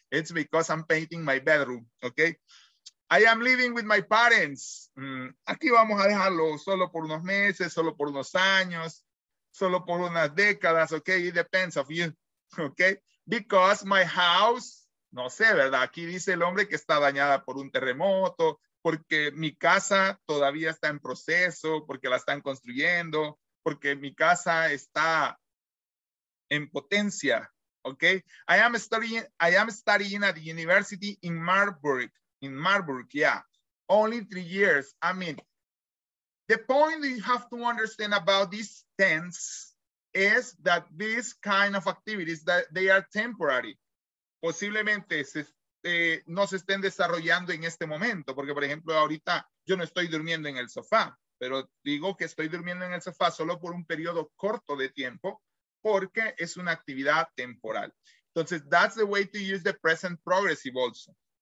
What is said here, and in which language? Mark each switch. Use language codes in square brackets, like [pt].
[en] It's because I'm painting my bedroom, okay? I am living with my parents. [es] Aquí vamos a dejarlo solo por unos meses, solo por unos años, solo por unas décadas, okay? [en] It depends of you, okay? Because my house, [es] no sé, ¿verdad? Aquí dice el hombre que está dañada por un terremoto, porque mi casa todavía está en proceso, porque la están construyendo, porque mi casa está en potencia, okay? [en] I am studying at the university in Marburg, yeah. Only 3 years, I mean. The point that you have to understand about this tense is that this kind of activities, that they are temporary. [es] Posiblemente no se estén desarrollando en este momento, porque por ejemplo ahorita yo no estoy durmiendo en el sofá, pero digo que estoy durmiendo en el sofá solo por un periodo corto de tiempo, porque es una actividad temporal. [en] Entonces, that's the way to use the present progressive also.